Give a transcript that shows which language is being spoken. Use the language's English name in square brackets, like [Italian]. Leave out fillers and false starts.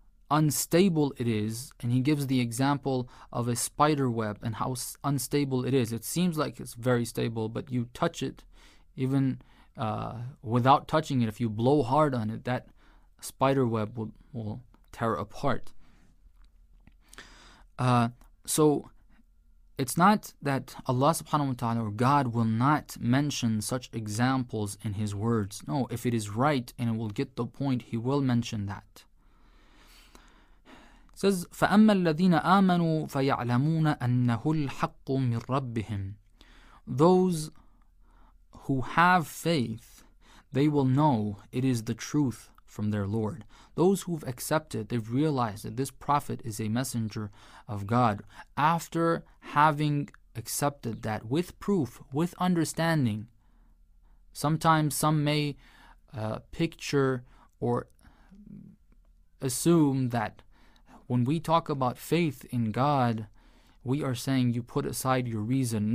[English] unstable it is, and He gives the example of a spider web and how unstable it is. It seems like it's very stable, but you touch it, even without touching it, if you blow hard on it, that spider web will tear apart. So it's not that Allah subhanahu wa ta'ala or God will not mention such examples in His words. No, if it is right and it will get the point, He will mention that. Says, [Arabic] فَأَمَّا الَّذِينَ آمَنُوا فَيَعْلَمُونَ أَنَّهُ الْحَقُّ مِنْ رَبِّهِمْ. [English] Those who have faith, they will know it is the truth from their Lord. Those who've accepted, they've realized that this prophet is a messenger of God. After having accepted that with proof, with understanding, sometimes some may picture or assume that when we talk about faith in God, we are saying you put aside your reason.